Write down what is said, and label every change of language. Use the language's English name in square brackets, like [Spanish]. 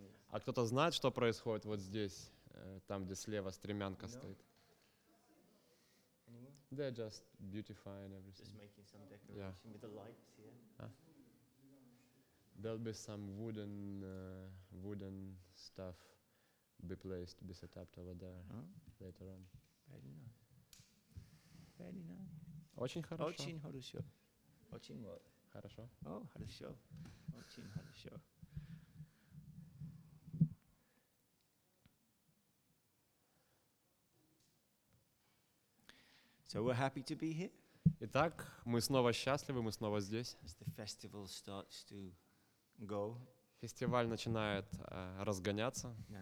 [Russian] А кто-то знает, что происходит вот здесь, там, где слева стремянка стоит? [English] They're just beautifying everything. Just making some decoration with the lights here. There'll be some wooden, wooden stuff. Be placed, be set up over there later on. Very nice. Very nice. [Russian] Очень хорошо. Очень хорошо. Очень вот. Хорошо. О, хорошо. Очень хорошо. [English] So we're happy to be here. [Russian] Итак, мы снова счастливы, мы снова здесь. [English] As the festival starts to go. [Russian] Фестиваль начинает разгоняться.